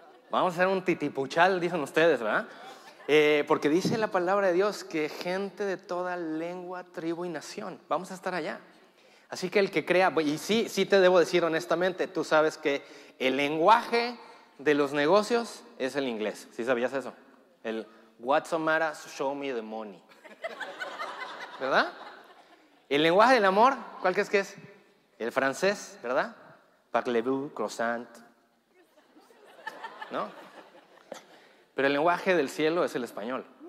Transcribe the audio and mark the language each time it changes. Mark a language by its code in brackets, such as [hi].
[es] Vamos a ser un titipuchal, dicen ustedes, ¿verdad? Porque dice la palabra de Dios que gente de toda lengua, tribu y nación, vamos a estar allá. Así que el que crea, y sí, sí te debo decir honestamente, tú sabes que el lenguaje de los negocios es el inglés. ¿Sí sabías eso? [en] El what's the matter, show me the money. [es] ¿Verdad? El lenguaje del amor, ¿cuál crees que es? El francés, ¿verdad? [fr] Parlez-vous, croissant. [es] ¿No? Pero el lenguaje del cielo es el español.